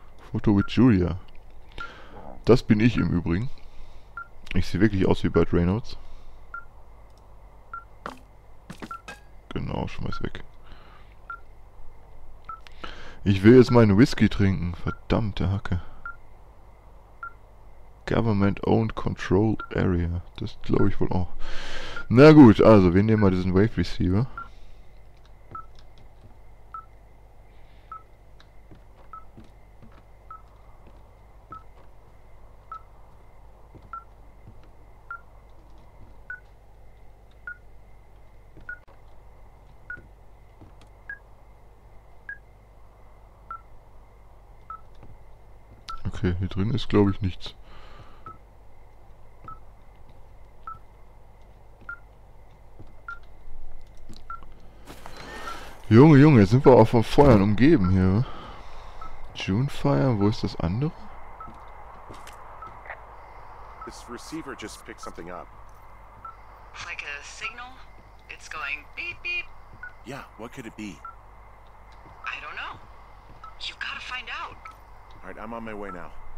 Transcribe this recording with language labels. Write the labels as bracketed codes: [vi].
[de] Foto mit Julia. Das bin ich im Übrigen. Ich sehe wirklich aus wie Burt Reynolds. Genau, schmeiß weg. Ich will jetzt meinen Whisky trinken. Verdammte Hacke. [en] Government-owned controlled area. [de] Das glaube ich wohl auch. Na gut, also wir nehmen mal diesen Wave Receiver. Okay, hier drin ist, glaube ich, nichts. Junge, Junge, jetzt sind wir auch von Feuern umgeben hier. June Fire, wo ist das andere? [en] This receiver just picked something up. Like a signal? It's going beep beep. Yeah, what could it be? I don't know. You gotta find out. Alright, I'm on my way now.